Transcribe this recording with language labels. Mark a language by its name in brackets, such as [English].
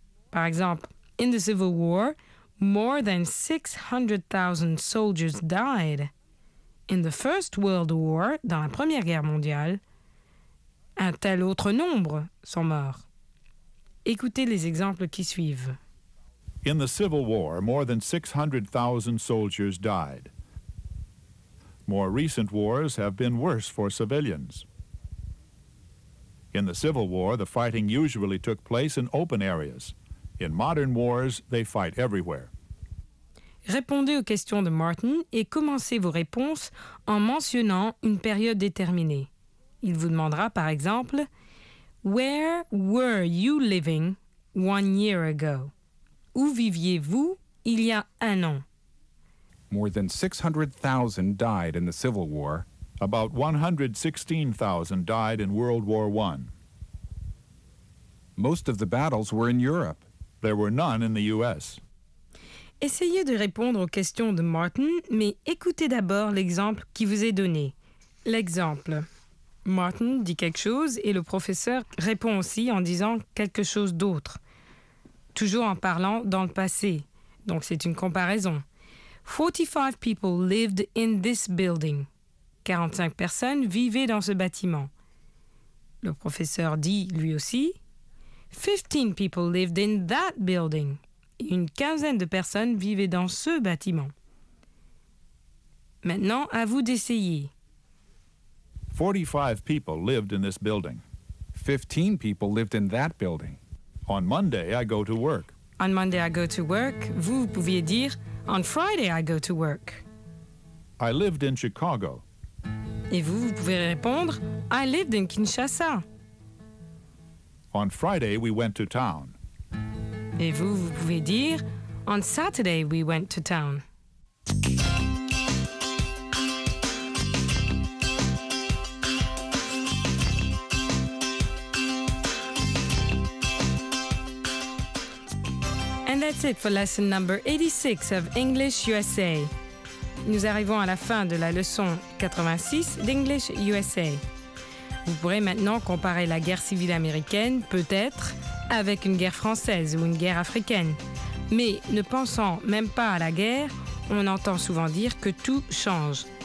[French] Par exemple, [English] « In the Civil War », More than 600,000 soldiers died. In the First World War, [French] dans la Première Guerre mondiale, un tel autre nombre sont morts. Écoutez les exemples qui suivent. [English] In the Civil War, more than 600,000 soldiers died. More recent wars have been worse for civilians. In the Civil War, the fighting usually took place in open areas. In modern wars, they fight everywhere. [French] Répondez aux questions de Martin et commencez vos réponses en mentionnant une période déterminée. Il vous demandera, par exemple, « [English] Where were you living 1 year ago? [French] » Où viviez-vous il y a un an? [English] More than 600,000 died in the Civil War. About 116,000 died in World War I. Most of the battles were in Europe. There were none in the U.S. [French] Essayez de répondre aux questions de Martin, mais écoutez d'abord l'exemple qui vous est donné. L'exemple. Martin dit quelque chose et le professeur répond aussi en disant quelque chose d'autre. Toujours en parlant dans le passé. Donc c'est une comparaison. [English] 45 people lived in this building. [French] 45 personnes vivaient dans ce bâtiment. Le professeur dit lui aussi. [English] 15 people lived in that building. [French] Une quinzaine de personnes vivaient dans ce bâtiment. Maintenant, à vous d'essayer. [English] 45 people lived in this building. 15 people lived in that building. On Monday, I go to work. On Monday, I go to work. [French] Vous pouviez dire, [English] on Friday, I go to work. I lived in Chicago. [French] Et vous pouvez répondre, [English] I lived in Kinshasa. On Friday, we went to town. [French] Et vous pouvez dire, [English] on Saturday we went to town. And that's it for lesson number 86 of English USA. [French] Nous arrivons à la fin de la leçon 86 d'English USA. Vous pourrez maintenant comparer la guerre civile américaine, peut-être, avec une guerre française ou une guerre africaine. Mais ne pensant même pas à la guerre, on entend souvent dire que tout change.